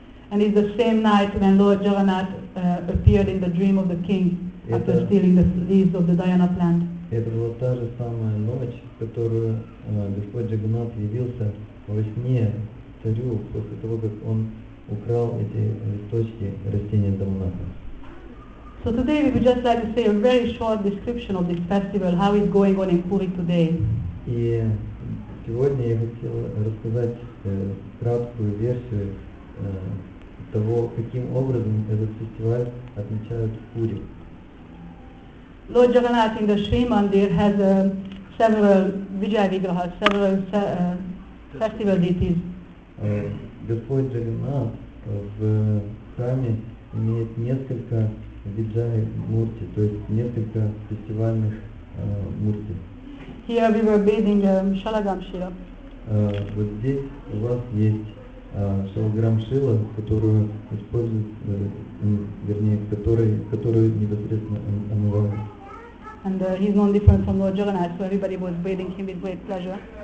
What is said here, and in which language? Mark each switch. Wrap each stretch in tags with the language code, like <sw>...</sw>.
<en>And it's the same night when Lord Jagannath appeared in the dream of the king after stealing the leaves of the Dayana plant.</en> <ru>Это была та же самая ночь, которую Господь Джагнат явился во сне царю после того, как он украл эти листочки растения Даманака.</ru> <en>So today we would just like to say a very short description of this festival, how it's going on in Puri today.</en> <ru>И сегодня я хотел рассказать краткую версию того, каким образом этот фестиваль отмечают в Пури.</ru> <en>Lord Jagannath in the Shri Mandir has several Vijaya Vigraha, several festival deities.</en> <ru>Господь Джагнат в храме имеет несколько Виджай Мурти, то есть несколько фестивальных мурти.</ru> <en>Here we were bathing Шалаграм Шила.</en> <ru>Вот здесь у вас есть Шалаграм Шила, которую используют, которую непосредственно омывают.</ru> <en>And he's no different from Lord Jagannath, so everybody was bathing him with great pleasure.</en>